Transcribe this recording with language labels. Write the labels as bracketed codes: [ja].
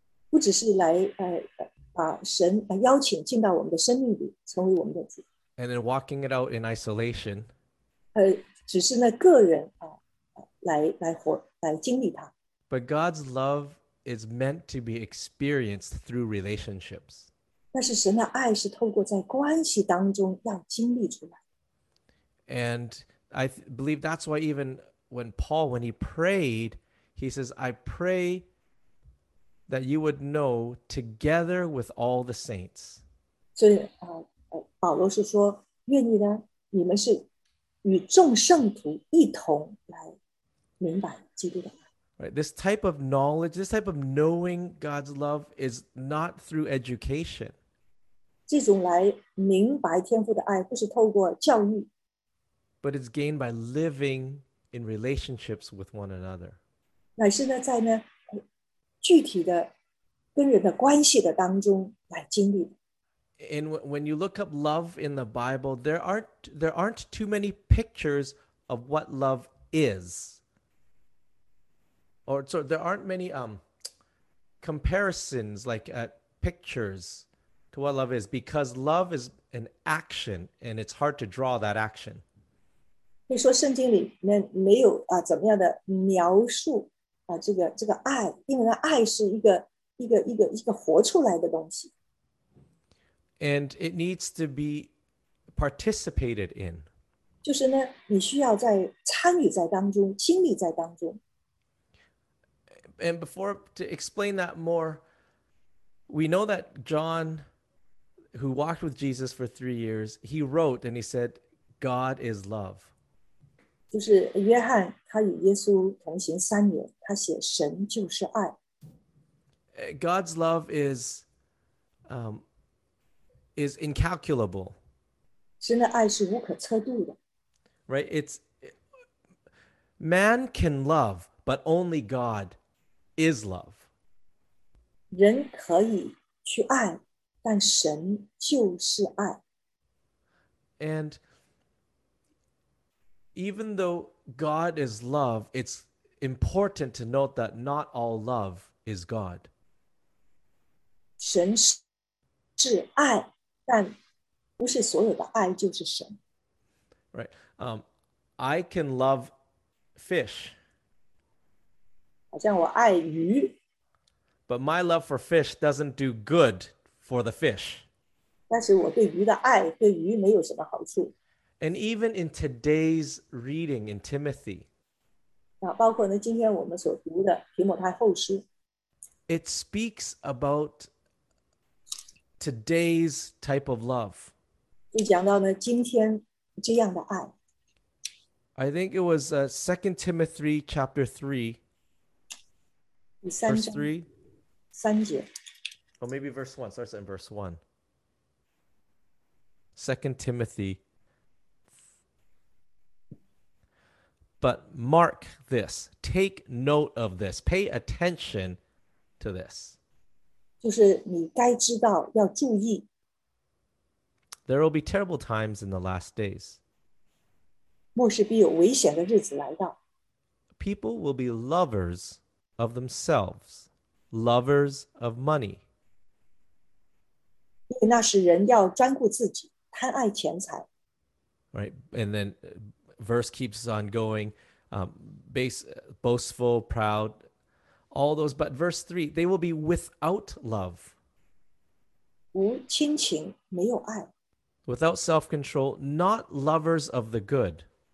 [zh] 不只是来把神邀请进到我们的生命里，成为我们的主。 [en] And then walking it out in isolation, [zh] 只是那个人来经历它。 [en] But God's love is meant to be experienced through relationships. [zh] 但是神的爱是透过在关系当中要经历出来。 [en] And I believe that's why even when Paul, when he prayed, he says, I pray that you would know together with all the saints. [zh] 所以保罗是说，愿意呢，你们是与众圣徒一同来明白基督的爱。 [en] Right? This type of knowledge, this type of knowing God's love is not through education. [zh] 这种来明白天父的爱不是透过教育。 [en] But it's gained by living in relationships with one another. [zh] 乃是呢在呢具体的跟人的关系的当中来经历。 [en] And when you look up love in the Bible, there aren't too many pictures of what love is. Or so there aren't many comparisons, like pictures to what love is, because love is an action and it's hard to draw that action. [zh] 你说圣经里面没有啊怎么样的描述啊这个爱，因为呢爱是一个活出来的东西。 [en] And it needs to be participated in. [zh] 就是呢，你需要在参与在当中，亲历在当中。 [en] And before to explain that more, we know that John, who walked with Jesus for 3 years, he wrote and he said, "God is love." [zh] 就是约翰，他与耶稣同行三年，他写神就是爱。 [en] God's love is incalculable. [zh] 神的爱是无可测度的。 [en] Right? It's man can love, but only God is love. [zh] 人可以去爱，但神就是爱。 [en] And even though God is love, it's important to note that not all love is God. [zh] 神是爱。但不是所有的爱就是神。 [en] Right. I can love fish. [zh] 好像我爱鱼。 [en] But my love for fish doesn't do good for the fish. [zh] 但是我对鱼的爱对鱼没有什么好处。 [en] And even in today's reading in Timothy, [zh] 包括呢今天我们所读的提摩太后书。 [en] It speaks about today's type of love. [zh] 就讲到呢今天这样的爱。 [en] I think it was 2 Timothy chapter 3. [zh] 第三章。 [en] Verse 3. [zh] 三节。 [en] Oh, maybe verse 1. Starts in verse 1. 2 Timothy. But mark this. Take note of this. Pay attention to this. [zh] 就是你该知道要注意。 [en] There will be terrible times in the last days. [zh] 末世必有危险的日子来到。 [en] People will be lovers of themselves, lovers of money. [zh] 因为那时人要专顾自己，贪爱钱财。 [en] Right, and then verse keeps on going, boastful, proud,all those, but verse 3, they will be without love. [zh] 无亲情，没有爱。 [en] Without self-control, not lovers of the good.